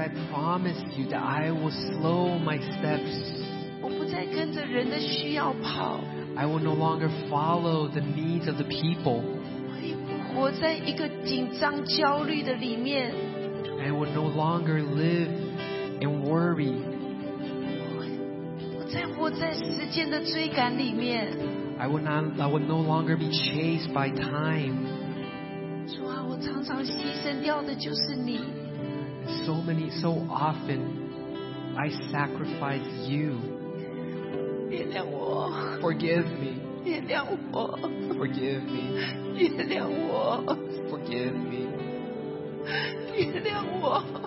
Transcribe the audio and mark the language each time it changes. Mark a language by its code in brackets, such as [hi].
[en] Promise you that I will slow my steps. [zh] 我不再跟着人的需要跑。 [en] I will no longer follow the needs of the people. [zh] 我也不活在一个紧张焦虑的里面。 [en] I will no longer live in worry. [zh] 我不再活在时间的追赶里面。 [en] I will no longer be chased by time. [zh] 主啊，我常常牺牲掉的就是你。 [en] So often I sacrifice you. [zh] 原谅我。 [en] Forgive me. [zh] 原谅我。 [en] Forgive me. [zh] 原谅我。 [en] Forgive me. [zh] 原谅我。